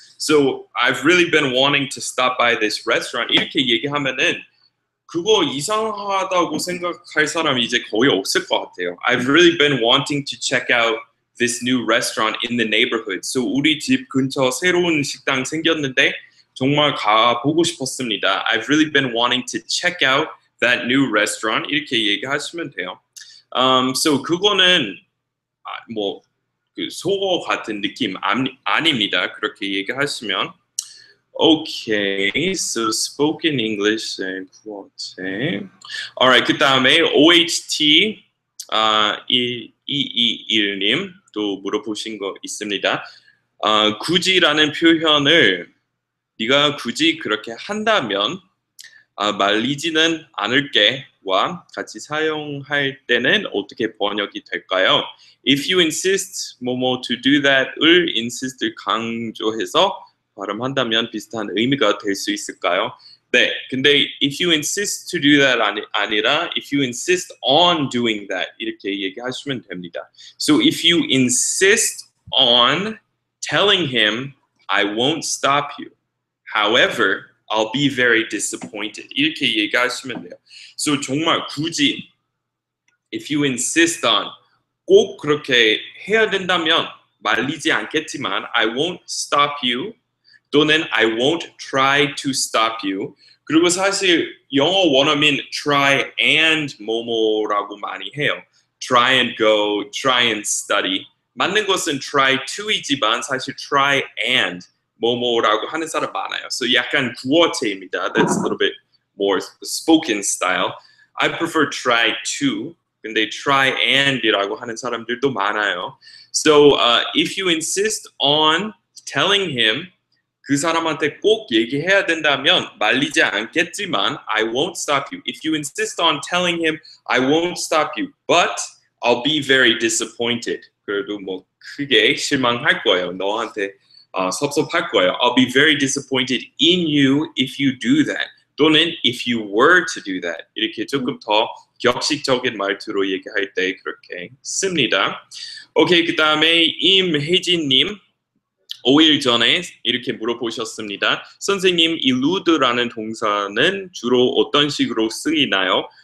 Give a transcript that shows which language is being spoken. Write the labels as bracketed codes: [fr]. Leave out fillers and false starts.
[en] So I've really been wanting to stop by this restaurant. [ko] 이렇게 얘기하면은 그거 이상하다고 생각할 사람 이제 거의 없을 것 같아요. [en] I've really been wanting to check out this new restaurant in the neighborhood. [ko] So 우리 집 근처 새로운 식당 생겼는데 정말 가보고 싶었습니다. [en] I've really been wanting to check out that new restaurant. [ko] 이렇게 얘기하시면 돼요. So 그거는 뭐그 속어 같은 느낌 아닙니다. 그렇게 얘기하시면. [en] Okay, so spoken English [ko] 구어체. Alright, 그 다음에 OHT 1221님 또 물어보신 거 있습니다. 굳이라는 표현을 네가 굳이 그렇게 한다면 말리지는 않을게와 같이 사용할 때는 어떻게 번역이 될까요? [en] If you insist [ko] 뭐뭐 [en] to do that [ko] 을 insist을 강조해서 발음한다면 비슷한 의미가 될수 있을까요? 네, 근데 [en] if you insist to do that [ko] 아니라 [en] if you insist on doing that [ko] 이렇게 얘기하시면 됩니다. [en] So if you insist on telling him I won't stop you, however, I'll be very disappointed. [ko] 이렇게 얘기하시면 돼요. [en] So [ko] 정말 굳이 [en] if you insist on [ko] 꼭 그렇게 해야 된다면 말리지 않겠지만 [en] I won't stop you [ko] 또는 [en] I won't try to stop you. [ko] 그리고 사실 영어 원어민 try and 뭐뭐라고 많이 해요. [en] Try and go, try and study. [ko] 맞는 것은 [en] try to [ko] 이지만 사실 [en] try and [ko] 뭐뭐라고 하는 사람 많아요. So 약간 구어체입니다. [en] That's a little bit more spoken style. I prefer try to, [ko] 근데 [en] try and [ko] 이라고 하는 사람들도 많아요. [en] So if you insist on telling him [ko] 그 사람한테 꼭 얘기해야 된다면 말리지 않겠지만 [en] I won't stop you. If you insist on telling him I won't stop you, but I'll be very disappointed. [ko] 그래도 뭐 크게 실망할 거예요. 너한테 섭섭할 거예요. [en] I'll be very disappointed in you if you do that. [ko] 또는 [en] if you were to do that. [ko] 이렇게 조금 더 격식적인 말투로 얘기할 때 그렇게 씁니다. 오케이, 그 다음에 임혜진님. 5일 전에 이렇게 물어보셨습니다. 선생님, 일루드라는 동사는 주로 어떤 식으로 쓰이나요?